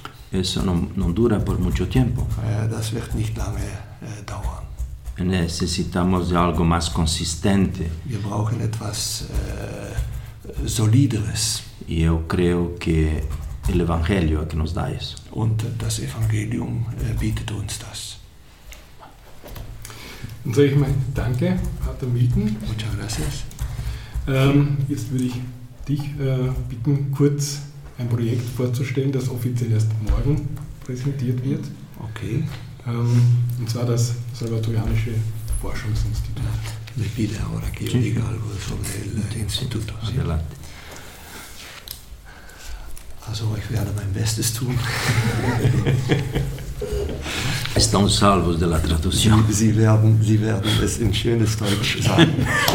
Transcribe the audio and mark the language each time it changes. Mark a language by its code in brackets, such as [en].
[es] Eso non dura por mucho tiempo. [de] Das wird nicht lange dauern. [es] Necesitamos de algo más consistente. [de] Wir brauchen etwas solideres. [es] Y yo creo que el Evangelio que nos da eso. [de] Und das Evangelium bietet uns das. Dann sage ich mal danke, Pater Milton. [es] Muchas gracias. [de] Jetzt würde ich dich bitten, kurz ein Projekt vorzustellen, das offiziell erst morgen präsentiert wird. Okay. Und zwar das Salvatorianische Forschungsinstitut. [es] Le pide ahora que yo diga algo sobre el instituto. Adelante. [de] Also, ich werde mein Bestes tun. [pt] Estão salvos [es] de la traducción. [de] Sie werden es in schönes Deutsch sagen.